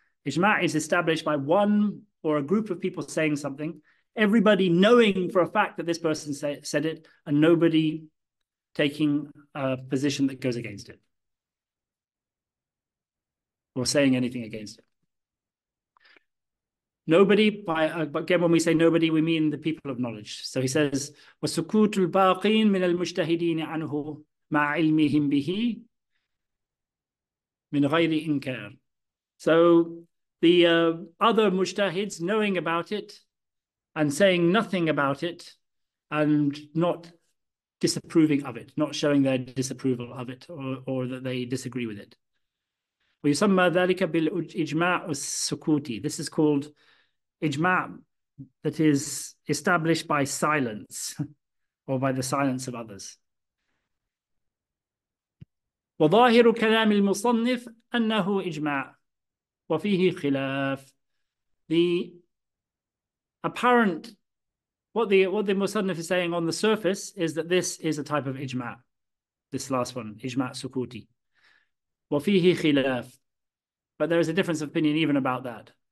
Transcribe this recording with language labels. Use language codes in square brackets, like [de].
[en] Ijma' is established by one or a group of people saying something, everybody knowing for a fact that this person said it, and nobody taking a position that goes against it or saying anything against it. Nobody, but again, when we say nobody, we mean the people of knowledge. So he says, [ar] وَسُكُوتُ الْبَاقِينَ مِنَ الْمُجْتَهِدِينَ عَنْهُ مَعَ عِلْمِهِمْ بِهِ مِنْ غَيْرِ إِنْكَارٍ. [en] So the other mujtahids knowing about it and saying nothing about it and not disapproving of it, not showing their disapproval of it or that they disagree with it. [ar] وَيُسَمَّ ذَلِكَ بِالْإِجْمَاعُ السُّكُوتِ. [en] This is called ijma' that is established by silence or by the silence of others. [ar] وَظَاهِرُ كَلَامِ الْمُصَنِّفْ أَنَّهُ ijma'. وَفِيهِ خِلَاف. [en] The apparent, what the Musannif is saying on the surface is that this is a type of ijma', this last one, ijma' sukuti. [ar] وَفِيهِ خِلَاف. [en] But there is a difference of opinion even about that.